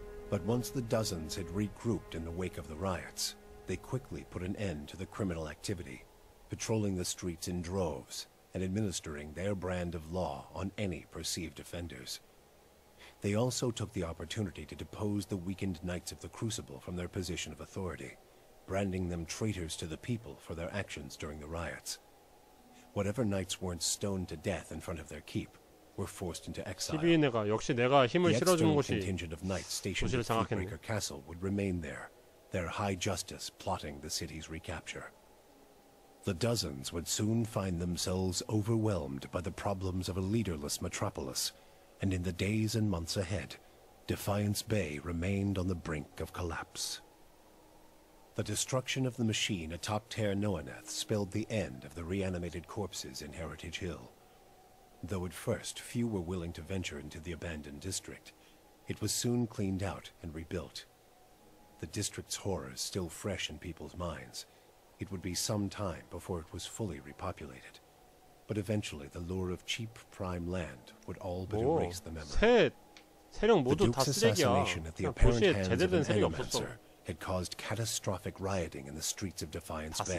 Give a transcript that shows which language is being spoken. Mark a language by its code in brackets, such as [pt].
[en] But once the dozens had regrouped in the wake of the riots, they quickly put an end to the criminal activity, patrolling the streets in droves, and administering their brand of law on any perceived offenders. They also took the opportunity to depose the weakened Knights of the Crucible from their position of authority, branding them traitors to the people for their actions during the riots. Whatever knights weren't stoned to death in front of their keep were forced into exile. [ko] 내가, 역시 내가 힘을 실어준 곳이 [en] contingent of knights stationed at Thiebreaker Castle would remain there, their High Justice plotting the city's recapture. The dozens would soon find themselves overwhelmed by the problems of a leaderless metropolis, and in the days and months ahead, Defiance Bay remained on the brink of collapse. The destruction of the machine atop Terre Noaneth spelled the end of the reanimated corpses in Heritage Hill. Though at first few were willing to venture into the abandoned district, it was soon cleaned out and rebuilt. The district's horrors still fresh in people's minds, it would be some time before it was fully repopulated. But eventually the lure of cheap prime land would all but erase the memory. [ko] 세력 모두 다 쓰레기야. 그냥 도시에 제대로 된 세력이 없었어. [en] Had caused catastrophic rioting in the streets of Defiance Bay.